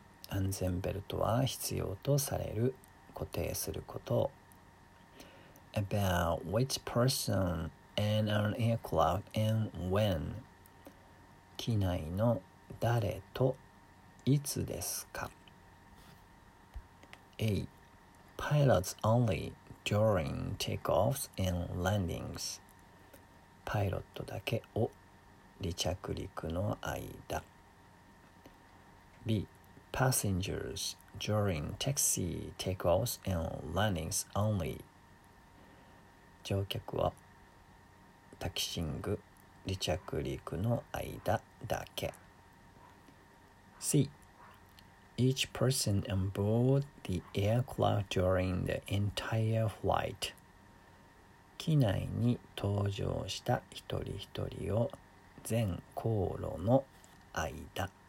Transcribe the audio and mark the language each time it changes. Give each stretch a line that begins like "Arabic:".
Japanese: 安全ベルトは必要とされる。固定すること。
English: About which person in an aircraft and when?
Japanese: 機内の誰といつですか?
English: A. Pilots only during takeoffs and landings.
Japanese: パイロットだけを離着陸の間。
English: B. Passengers during taxi takeoffs and landings only.
Japanese: 乗客はタキシング離着陸の間だけ。 C.
English: Each person on board the aircraft during the entire flight.
Japanese: 機内に搭乗した一人一人を全航路の間。